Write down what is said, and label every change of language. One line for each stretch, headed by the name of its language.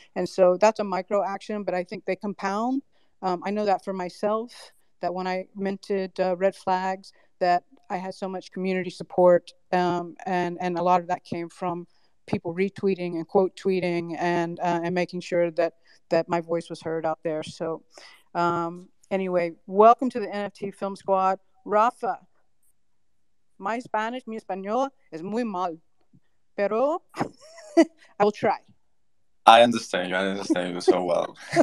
English: And so that's a micro action, but I think they compound. I know that for myself, that when I minted Red Flags, that I had so much community support, and a lot of that came from people retweeting and quote tweeting and making sure that my voice was heard out there. So anyway, welcome to the NFT Film Squad.
Spanish: Rafa,
English: my Spanish,
Spanish: mi español es muy mal, pero
English: I will try. I understand you. I understand you so well.